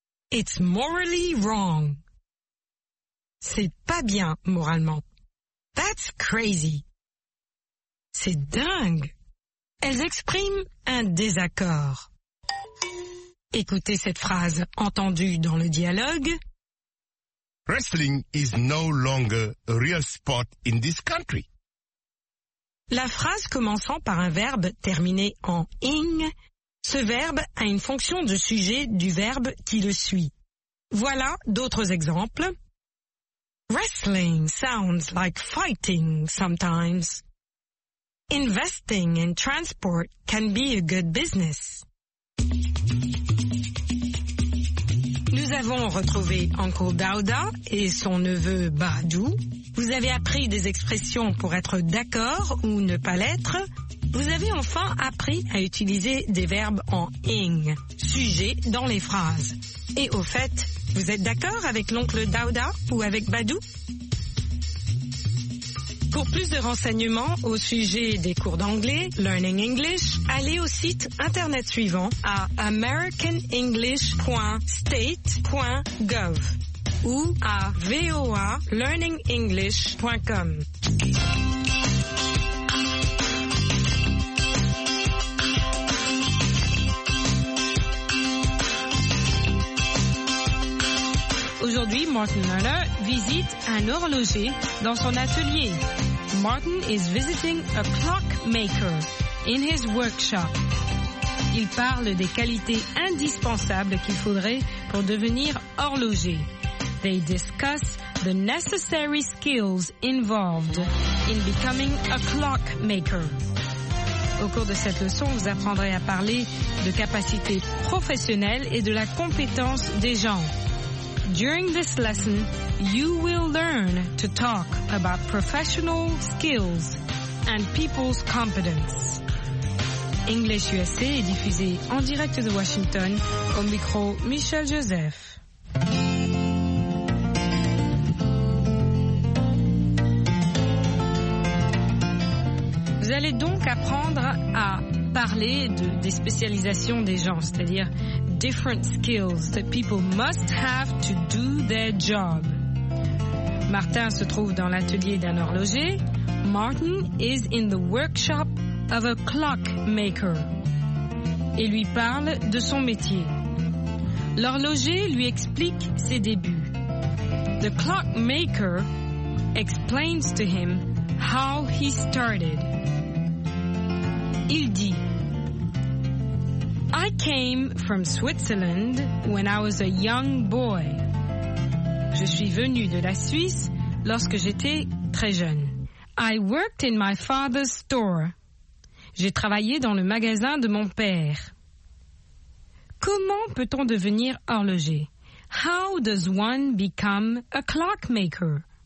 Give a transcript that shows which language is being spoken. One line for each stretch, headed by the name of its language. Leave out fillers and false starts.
English: It's morally wrong.
French: C'est pas bien moralement.
English: That's crazy.
French: C'est dingue. Elles expriment un désaccord. Écoutez cette phrase entendue dans le dialogue.
English: Wrestling is no longer a real sport in this country.
French: La phrase commençant par un verbe terminé en « ing », ce verbe a une fonction de sujet du verbe qui le suit. Voilà d'autres exemples.
English: Wrestling sounds like fighting sometimes. Investing in transport can be a good business.
French: Nous avons retrouvé Uncle Daouda et son neveu Badou. Vous avez appris des expressions pour être d'accord ou ne pas l'être. Vous avez enfin appris à utiliser des verbes en « ing », sujet dans les phrases. Et au fait, vous êtes d'accord avec l'oncle Daouda ou avec Badou? Pour plus de renseignements au sujet des cours d'anglais, Learning English, allez au site internet suivant à americanenglish.state.gov ou à voalearningenglish.com. Aujourd'hui, Martin Muller visite un horloger dans son atelier.
English: Martin is visiting a clockmaker in his workshop.
French: Il parle des qualités indispensables qu'il faudrait pour devenir horloger.
English: They discuss the necessary skills involved in becoming a clockmaker.
French: Au cours de cette leçon, vous apprendrez à parler de capacités professionnelles et de la compétence des gens.
English: During this lesson, you will learn to talk about professional skills and people's competence.
French: English USA est diffusé en direct de Washington au micro Michel Joseph. Vous allez donc apprendre à parler des spécialisations des gens, c'est-à-dire
English: different skills that people must have to do their job.
French: Martin se trouve dans l'atelier d'un horloger.
English: Martin is in the workshop of a clockmaker.
French: Et lui parle de son métier. L'horloger lui explique ses débuts.
English: The clockmaker explains to him how he started.
French: Il dit,
English: I came from Switzerland when I was a young boy.
French: Je suis venu de la Suisse lorsque j'étais très jeune.
English: I worked in my father's store.
French: J'ai travaillé dans le magasin de mon père. Comment peut-on devenir horloger? How does one become a clockmaker?